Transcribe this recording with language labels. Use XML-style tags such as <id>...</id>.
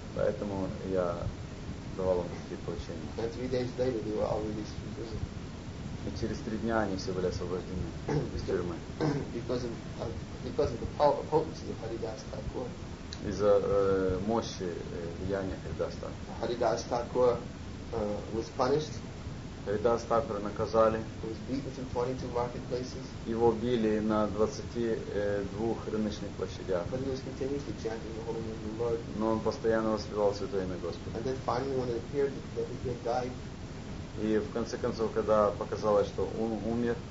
<ru>Поэтому я давал вам такие поручения.</ru> <en>And 3 days later they were all released from prison.</en> <ru>И через 3 дня они все были освобождены из тюрьмы.</ru> <en>Because of the power of potency of Haridas Thakur.</en> <ru>Из-за мощи влияния Харидас Такур.</ru> <en>Haridas Thakur was punished.</en> <ru>Харидас Такура наказали.</ru> <en>He was beaten in 22 marketplaces.</en> <ru>Его били на 22 рыночных площадях.</ru> <en>But he was continuously chanting the holy name of the Lord.</en> <ru>Но он постоянно воспевал Святое Имя Господа.</ru> <en>And then finally when it appeared that he had died.</en> <ru>И в конце концов, когда показалось, что он умер,</ru>